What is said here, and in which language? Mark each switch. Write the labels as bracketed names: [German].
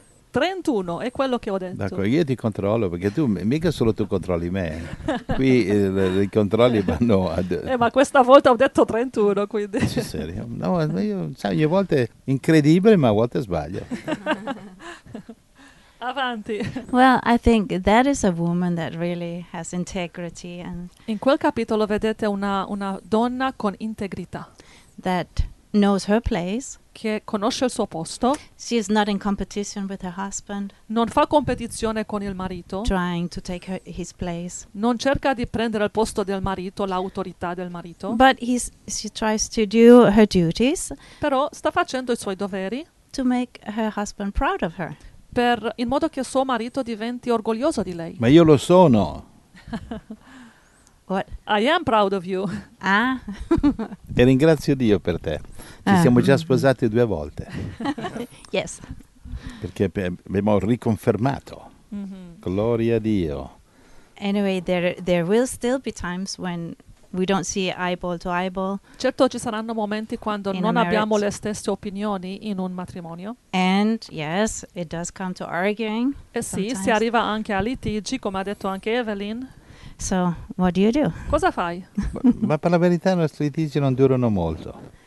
[Italian] 31 è quello che ho detto. D'accordo, io ti controllo, perché tu mica solo tu controlli me. Qui i controlli vanno a... ma questa volta ho detto 31, quindi... Sì, serio? No, io, sai, ogni volta è incredibile, ma a volte sbaglio. Avanti. [English] Well, I think that is a woman that really has integrity. And [Italian] in quel capitolo vedete una donna con integrità. [English] That knows her place. [Italian] Che conosce il suo posto. [English] She is not in competition with her husband. [Italian] Non fa competizione con il marito. [English] Trying to take his place. [Italian] Non cerca di prendere il posto del marito, l'autorità del marito. [English] But she tries to do her duties. [Italian] Però sta facendo i suoi doveri. [English] To make her husband proud of her. [Italian] Per in modo che suo marito diventi orgoglioso di lei. Ma io lo sono. [English] What? I am proud of you. Ah. [Italian] E ringrazio Dio per te. Ci siamo già sposati due volte. [English] Yes. [Italian] Perché abbiamo riconfermato. Mm-hmm. Gloria a Dio. [English] Anyway, there will still be times when we don't see eyeball to eyeball. [Italian] Certo, ci saranno momenti quando non abbiamo le stesse opinioni in un matrimonio. [English] And yes, it does come to arguing. [Italian] E sì, si arriva anche a litigi, come ha detto anche Evelyn. [English] So, what do you do? [Italian] Cosa fai? Ma per la verità i nostri litigi non durano molto.